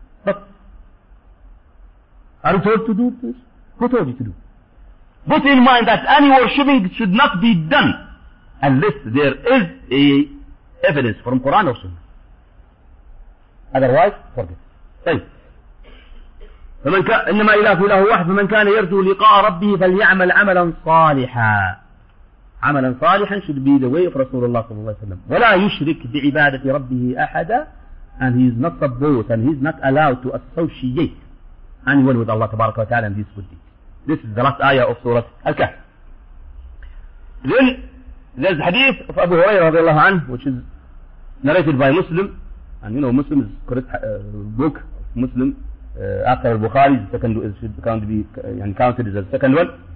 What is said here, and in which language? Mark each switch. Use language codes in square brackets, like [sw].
[en] But are you told to do this? Who told you to do? Put in mind that any worshipping should not be done unless there is a evidence from Quran or Sunnah. Otherwise, forget. Say. [ar] فمن كان إنما إله إله واحد فمن كان يرجو لقاء ربه فليعمل عملا صالحا. عملا صالحا [en] should be the way of [ar] رسول الله صلى الله عليه وسلم. ولا يشرك بعبادة ربه أحدا. [en] And he is not supposed and he is not allowed to associate anyone with Allah [ar] تبارك وتعالى [en] in this body. This is the last ayah of Surah Al-Kahf. Then there's the hadith of Abu Hurairah رضي الله عنه, which is narrated by Muslim. And you know, Muslim is correct book of Muslim after Al-Bukhari, the second is should count be and counted as the second one.